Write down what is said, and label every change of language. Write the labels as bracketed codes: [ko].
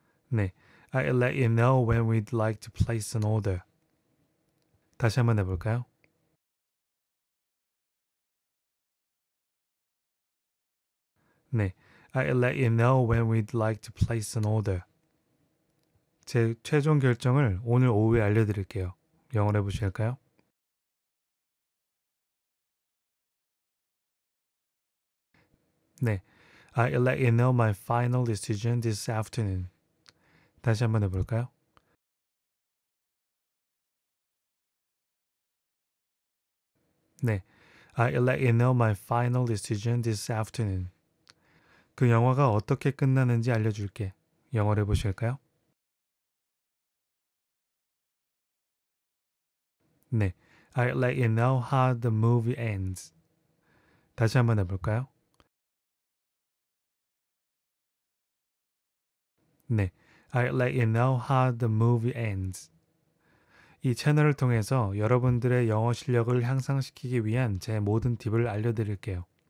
[en] 네, I'll let you know when we'd like to place an order. [ko] 다시 한번 해볼까요? [en] 네, I'll let you know when we'd like to place an order. [ko] 제 최종 결정을 오늘 오후에 알려드릴게요. 영어로 해보실까요? [en] 네, I'll let you know my final decision this afternoon. [ko] 다시 한번 해볼까요? [en] 네, I'll let you know my final decision this afternoon. [ko] 그 영화가 어떻게 끝나는지 알려줄게. 영어로 해보실까요? [en] 네, I'll let you know how the movie ends. [ko] 다시 한번 해볼까요? [en] 네, I'll let you know how the movie ends. [ko] 이 채널을 통해서 여러분들의 영어 실력을 향상시키기 위한 제 모든 팁을 알려드릴게요.